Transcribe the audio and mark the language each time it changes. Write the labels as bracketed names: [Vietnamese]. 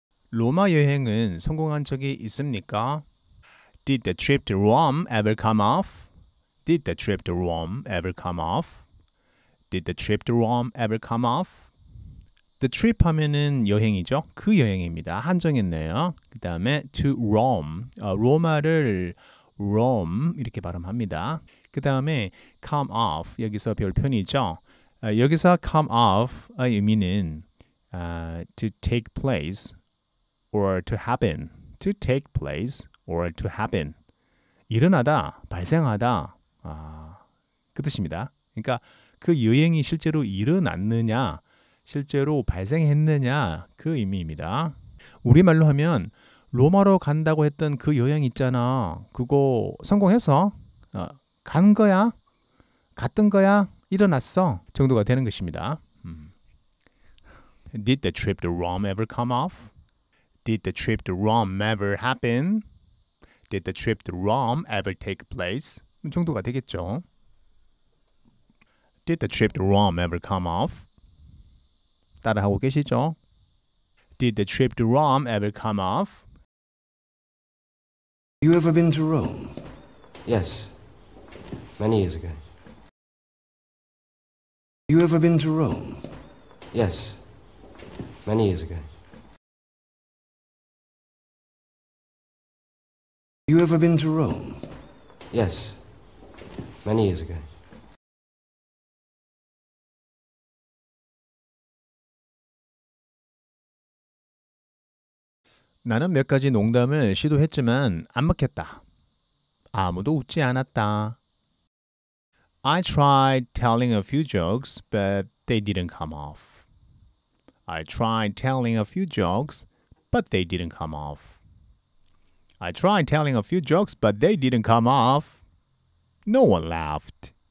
[Korean] 로마 여행은 성공한 적이 있습니까? [English] Did the trip to Rome ever come off? Did the trip to Rome ever come off? Did the trip to Rome ever come off? [Korean] The trip 하면은 여행이죠. 그 여행입니다. 한정했네요. 그 다음에 to Rome. 로마를 Rome 이렇게 발음합니다. 그 다음에 come off. 여기서 별 표현이죠. 여기서 come off의 의미는 [English] to take place or to happen. To take place or to happen. [Korean] 일어나다, 발생하다. 그 뜻입니다. 그러니까 그 여행이 실제로 일어났느냐, 실제로 발생했느냐 그 의미입니다. 우리말로 하면 로마로 간다고 했던 그 여행 있잖아. 그거 성공해서 간 거야, 갔던 거야, 일어났어 정도가 되는 것입니다. [English] Did the trip to Rome ever come off? Did the trip to Rome ever happen? Did the trip to Rome ever take place? [Korean] 정도가 되겠죠. [English] Did the trip to Rome ever come off? [Korean] 따라하고 계시죠? [English] Did the trip to Rome ever come off? You ever been to Rome? Yes, many years ago. You ever been to Rome? Yes, many years ago. You ever been to Rome? Yes, many years ago. [Korean] 나는 몇 가지 농담을 시도했지만 안 먹혔다. 아무도 웃지 않았다. [English] I tried telling a few jokes, but they didn't come off. I tried telling a few jokes, but they didn't come off. I tried telling a few jokes, but they didn't come off. No one laughed.